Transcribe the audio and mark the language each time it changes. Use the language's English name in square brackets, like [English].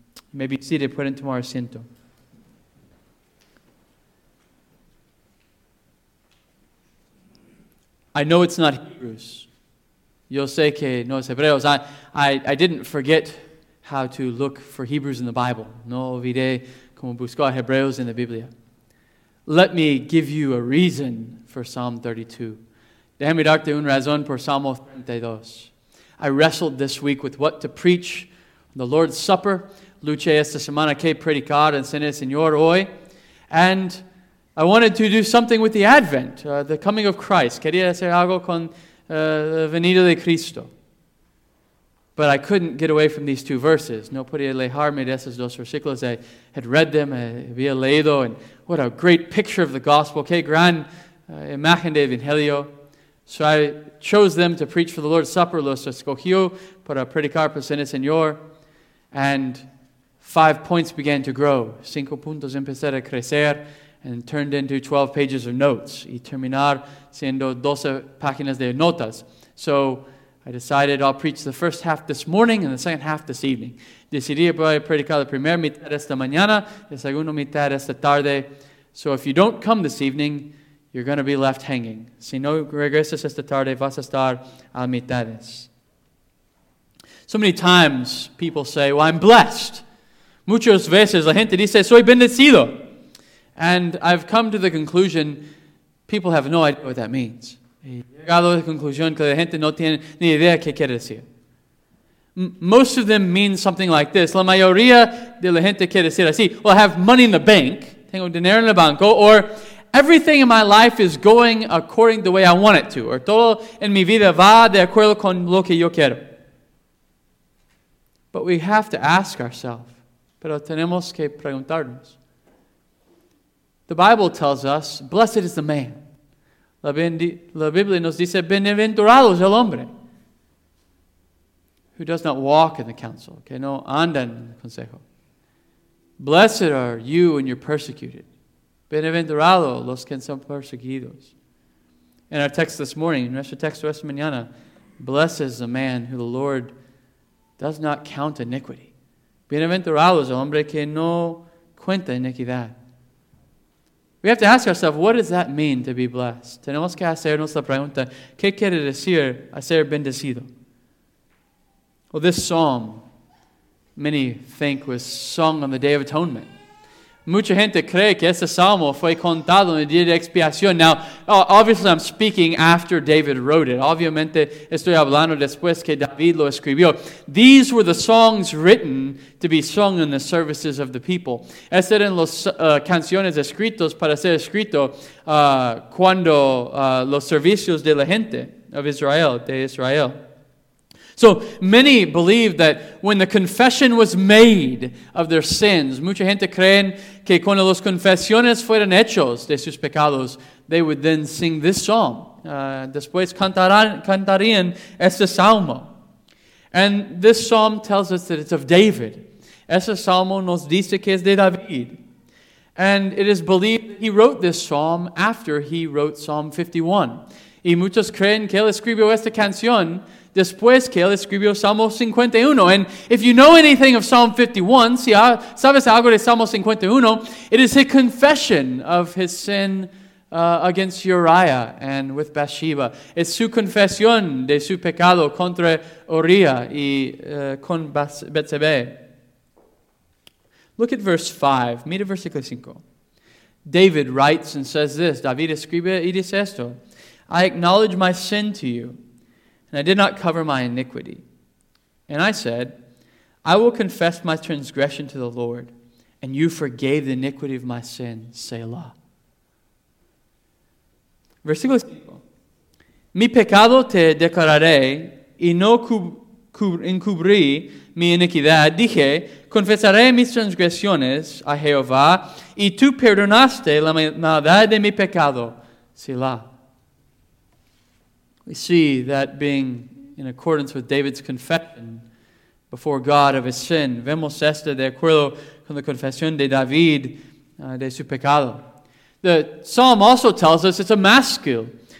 [English] You may be seated, put into our asiento. I know it's not Hebrews. [Spanish] Yo sé que no es Hebreos. [English] I didn't forget how to look for Hebrews in the Bible. [Spanish] No olvidé cómo buscar Hebreos en la Biblia. [English] Let me give you a reason for Psalm 32. [Spanish] Déjame darte un razón por Salmo 32. [English] I wrestled this week with what to preach on the Lord's Supper. [Spanish] Luché esta semana que predicar en el Señor hoy. [English] And I wanted to do something with the Advent, the coming of Christ. [Spanish] Quería hacer algo con la venida de Cristo. [English] But I couldn't get away from these two verses. [Spanish] No podía alejarme de esos dos versículos. [English] I had read them, [Spanish] había leído, [English] and what a great picture of the gospel. [Spanish] Qué gran imagen de Evangelio. [English] So I chose them to preach for the Lord's Supper. [Spanish] Los escogió para predicar por el Señor. [English] And 5 points began to grow. [Spanish] 5 puntos empezaron a crecer. [English] And turned into 12 pages of notes. [Spanish] Y terminar siendo 12 páginas de notas. [English] So I decided I'll preach the first half this morning and the second half this evening. [Spanish] Decidí voy a predicar la primera mitad esta mañana, la segunda mitad esta tarde. [English] So if you don't come this evening, you're going to be left hanging. [Spanish] Si no regresas esta tarde, vas a estar a mitades. [English] So many times people say, well, I'm blessed. [Spanish] Muchas veces la gente dice, soy bendecido. [English] And I've come to the conclusion, people have no idea what that means. [Spanish] Llegado a la conclusión que la gente no tiene ni idea qué quiere decir. [English] Most of them mean something like this. [Spanish] La mayoría de la gente quiere decir así. [English] Well, I have money in the bank. [Spanish] Tengo dinero en el banco. [English] Or everything in my life is going according the way I want it to. [Spanish] Or todo en mi vida va de acuerdo con lo que yo quiero. [English] But we have to ask ourselves. [Spanish] Pero tenemos que preguntarnos. [English] The Bible tells us, blessed is the man. [Spanish] La Biblia nos dice, bienaventurado es el hombre. [English] Who does not walk in the counsel. [Spanish] Que no anda en el consejo. [English] Blessed are you when you're persecuted. [Spanish] Bienaventurado los que son perseguidos. [English] In our text this morning, in [Spanish] nuestro texto esta mañana, [English] blessed is the man who the Lord does not count iniquity. [Spanish] Bienaventurado es el hombre que no cuenta iniquidad. [English] We have to ask ourselves, what does that mean to be blessed? [Spanish] Tenemos que hacernos la pregunta, ¿qué quiere decir ser bendecido? [English] Well, this psalm, many think, was sung on the Day of Atonement. [Spanish] Mucha gente cree que este salmo fue contado en el día de expiación. [English] Now, obviously, I'm speaking after David wrote it. [Spanish] Obviamente, estoy hablando después que David lo escribió. [English] These were the songs written to be sung in the services of the people. [Spanish] Estas eran las canciones escritas para ser escrito cuando los servicios de la gente [English] of Israel, [Spanish] de Israel. [English] So many believe that when the confession was made of their sins, [Spanish] mucha gente creen que cuando las confesiones fueron hechos de sus pecados, [English] they would then sing this psalm. [Spanish] Después cantarían este salmo. [English] And this psalm tells us that it's of David. [Spanish] Este salmo nos dice que es de David. [English] And it is believed that he wrote this psalm after he wrote Psalm 51. [Spanish] Y muchos creen que él escribió esta canción después que él escribió Salmo 51. [English] And if you know anything of Psalm 51, [Spanish] si sabes algo de Salmo 51, [English] it is a confession of his sin against Uriah and with Bathsheba. [Spanish] Es su confesión de su pecado contra Uriah y con Bathsheba. [English] Look at verse 5. [Spanish] Mira versículo 5. [English] David writes and says this. [Spanish] David escribe y dice esto. [English] I acknowledge my sin to you, and I did not cover my iniquity. And I said, I will confess my transgression to the Lord, and you forgave the iniquity of my sin, Selah. [Spanish] Versículo 5. Mi pecado te declararé, y no encubrí mi iniquidad. Dije, confesaré mis transgresiones a Jehová, y tú perdonaste la maldad de mi pecado, Selah. [English] We see that being in accordance with David's confession before God of his sin. [Spanish] Vemos esto de acuerdo con la confesión de David de su pecado. [English] The psalm also tells us it's a masculine.